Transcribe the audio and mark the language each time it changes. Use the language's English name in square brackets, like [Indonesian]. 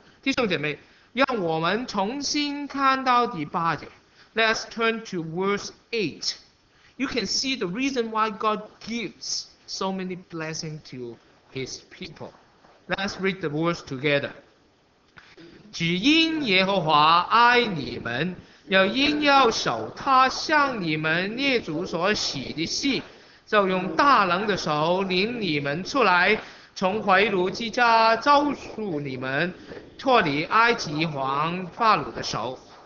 [Chinese] 弟兄姐妹，让我们重新看到第八节。 [English] Let's turn to verse 8. You can see the reason why God gives so many blessings to His people. Let's read the verse together. [Chinese] 只因耶和华爱你们，又因要守他向你们列祖所许的誓，就用大能的手领你们出来，从怀奴之家招数你们，脱离埃及皇法老的手。